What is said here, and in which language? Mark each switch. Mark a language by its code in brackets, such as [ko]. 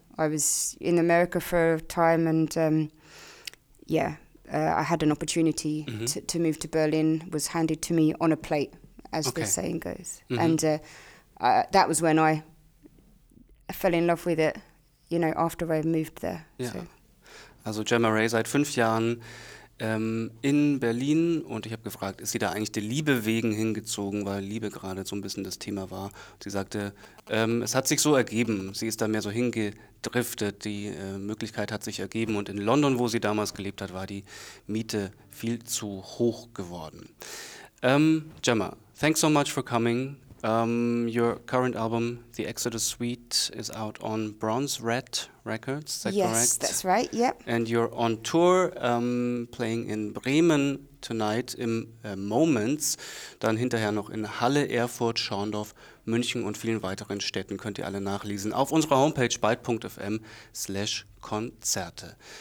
[en] I was in America for a time, and I had an opportunity to move to Berlin, was handed to me on a plate, as the saying goes. And that was when I fell in love with it, you know, after I moved there. Yeah. So. [de] Also Gemma Ray seit 5 Jahren in Berlin, und ich habe gefragt, ist sie da eigentlich der Liebe wegen hingezogen, weil Liebe gerade so ein bisschen das Thema war. Sie sagte, es hat sich so ergeben, sie ist da mehr so hingedriftet, die Möglichkeit hat sich ergeben, und in London, wo sie damals gelebt hat, war die Miete viel zu hoch geworden. [en] Gemma, thanks so much for coming. Your current album, The Exodus Suite, is out on Bronze Red Records, is that correct? Yes, that's right, yep. And you're on tour, playing in Bremen tonight, [de] im Moments, dann hinterher noch in Halle, Erfurt, Schorndorf, München und vielen weiteren Städten, könnt ihr alle nachlesen, auf unserer Homepage, byte.fm/Konzerte.